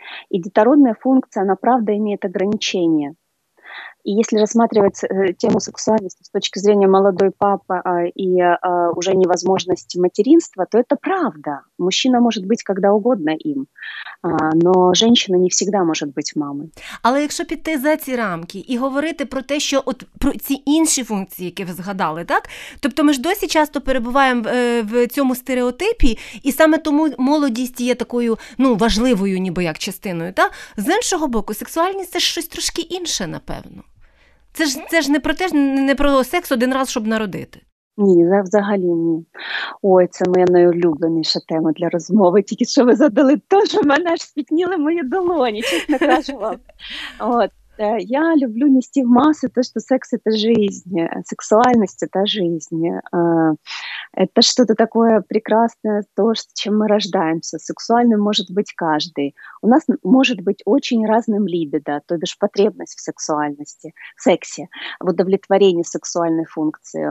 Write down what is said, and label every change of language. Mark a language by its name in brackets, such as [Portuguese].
[Russian] И детородная функция, она, правда, имеет ограничения. И если рассматривать тему сексуальности с точки зрения молодой папы и уже невозможности материнства, то это правда. Мужчина может быть когда угодно им, но женщина не всегда может быть мамой. [Ukrainian] Але якщо піти за ці рамки і говорити про те, що от про ці інші функції, які ви згадали, так? Тобто ми ж досі часто перебуваємо в цьому стереотипі, і саме тому молодість є такою, ну, важливою ніби як частиною, так? З іншого боку, сексуальність – це щось трошки інше, напевно. Це ж не про те, не про секс один раз, щоб народити. Ні, взагалі ні. Ой, це моя найулюбленіша тема для розмови. Тільки що ви задали теж, мене ж спітніли мої долоні, чесно кажу вам. От. [Russian] Я люблю нести в массы то, что секс – это жизнь, сексуальность – это жизнь. Это что-то такое прекрасное, то, с чем мы рождаемся. Сексуальным может быть каждый. У нас может быть очень разным либидо, то бишь потребность в сексуальности, в сексе, в удовлетворении сексуальной функции.